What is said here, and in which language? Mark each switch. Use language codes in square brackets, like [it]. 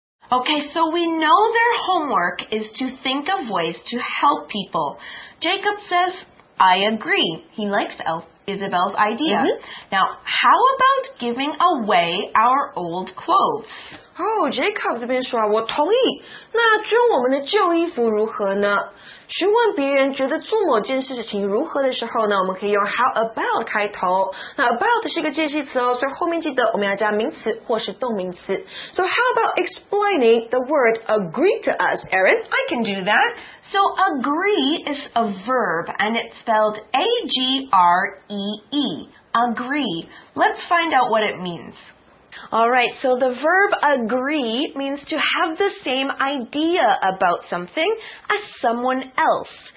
[en] Okay, so we know their homework is to think of ways to help people. Jacob says, I agree. He likes Isabel's idea. Mm-hmm. Now, how about giving away our old clothes? [zh] Jacob 这边说啊，我同意。那捐我们的旧衣服如何呢？询问别人觉得做某件事情如何的时候呢，我们可以用 how about 开头。那 about 是一个介系词哦，所以后面记得我们要加名词或是动名词。 [en] So how about explaining the word agree to us, Erin? I can do that. So agree is a verb and it's spelled A-G-R-E-E. Agree. Let's find out what it means. Alright, so the verb agree means to have the same idea about something as someone else.